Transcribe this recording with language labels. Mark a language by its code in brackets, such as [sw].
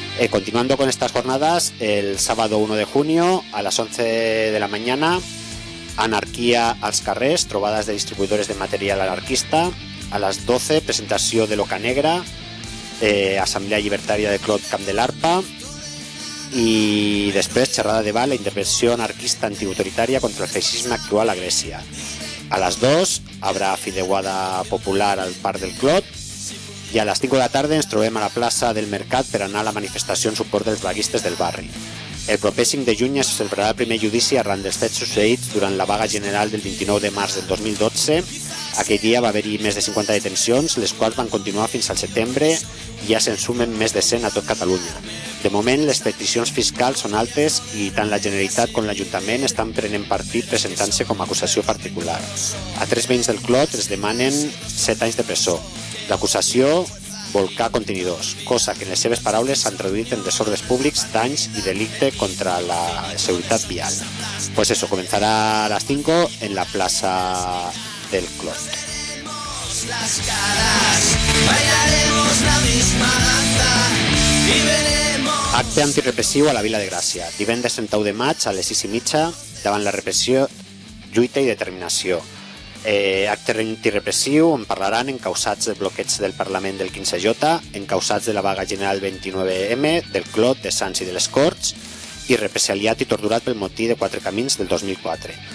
[es] Continuando con estas jornadas, el sábado 1 de junio a las 11 de la mañana, Anarquía als carrers, trobadas de distribuidores de material anarquista. A las 12, presentación de Loca Negra, Asamblea Libertaria de Clot Camp de l'Arpa, y después charrada de bala, intervención anarquista antiautoritaria contra el fascismo actual a Grecia. A las 2 habrá fideuada popular al par del Clot, y a las 5 de la tarde [ca] ens trobem a la plaça del Mercat per anar a la manifestació en suport dels vaguistes del barri. El proper 5 de juny es celebrarà el primer judici arran dels fets succeïts durant la vaga general del 29 de març del 2012. Aquell dia va haver-hi més de 50 detencions, les quals van continuar fins al setembre i ja se'n sumen més de 100 a tot Catalunya. De moment, les peticions fiscals són altes i tant la Generalitat com l'Ajuntament estan prenent partit presentant-se com a acusació particular. A tres veïns del Clot es demanen 7 anys de presó. L'acusació, volcar contenidors, cosa que en les seves paraules s'han traduït en desordres públics, danys i delicte contra la seguretat vial. [es] Pues eso, [ca] començarà a les 5 en la plaça del Clot. [es] las caras, bailaremos la misma danza y veremos. [ca] Acte antirepressiu a la Vila de Gràcia. Divendres 31 de maig a les 6 i mitja, davant la repressió, lluita i determinació. Acte antirepressiu on parlaran encausats de bloqueig del Parlament del 15J, encausats de la vaga general 29M, del Clot, de Sants i de les Corts, i represaliat i torturat pel motí de Quatre Camins del 2004.